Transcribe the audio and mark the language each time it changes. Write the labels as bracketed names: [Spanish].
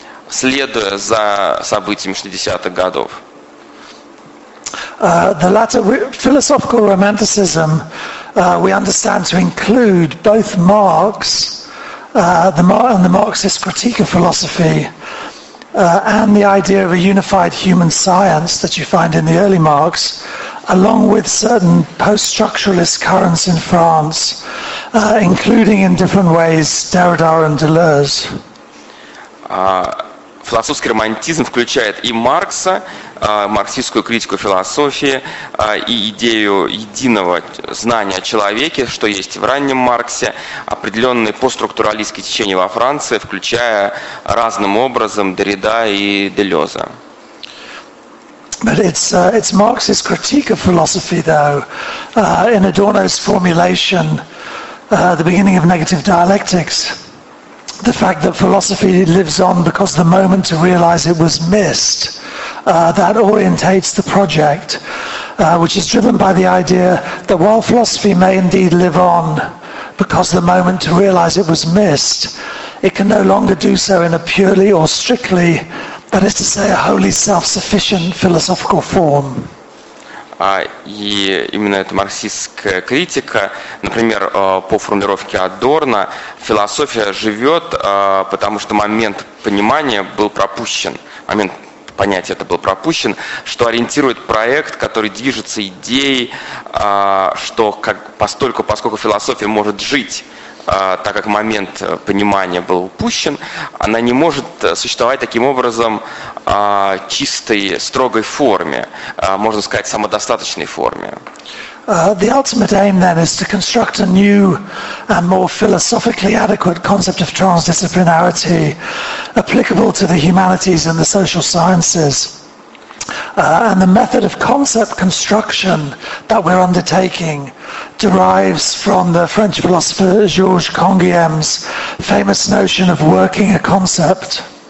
[Russian] следуя за событиями 60-х годов. [English] The latter philosophical romanticism we understand to include both Marx, and the Marxist critique of philosophy, and the idea of a unified human science that you find in the early Marx, along with certain post-structuralist currents in France, including in different ways Derrida and Deleuze. [Russian] Философский романтизм включает и Маркса, марксистскую критику философии, и идею единого знания о человеке, что есть в раннем Марксе, определенные постструктуралистские течения во Франции, включая разным образом Деррида и Делеза. [English] But it's Marx's critique of philosophy, though, in Adorno's formulation, the beginning of negative dialectics, the fact that philosophy lives on because the moment to realize it was missed, that orientates the project, which is driven by the idea that while philosophy may indeed live on because the moment to realize it was missed, it can no longer do so in a purely or strictly, that is to say, a wholly self-sufficient philosophical form. [Russian] И именно эта марксистская критика, например, по формулировке Адорна, философия живет, потому что момент понимания был пропущен, момент понятия это был пропущен, что ориентирует проект, который движется идеей, что как, поскольку философия может жить, так как момент понимания был упущен, она не может существовать таким образом чистой, строгой форме, можно сказать, самодостаточной форме. [English] The ultimate aim, then, is to construct a new and more philosophically adequate concept of transdisciplinarity applicable to the humanities and the social sciences. And the method of concept construction that we're undertaking derives from the French philosopher Georges Canguilhem's famous notion of working a concept.